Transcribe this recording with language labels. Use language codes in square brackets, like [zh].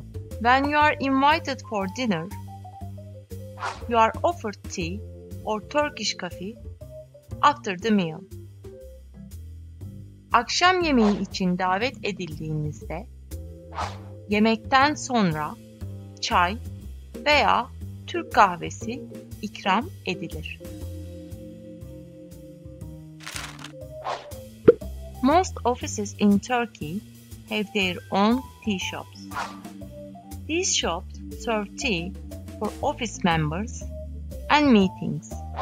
[en] When you are invited for dinner, you are offered tea or Turkish coffee after the meal. [tr] Akşam yemeği için davet edildiğinizde, yemekten sonra çay veya Türk kahvesi ikram edilir. [en] Most offices in Turkey have their own tea shops. These shops serve tea for office members and meetings.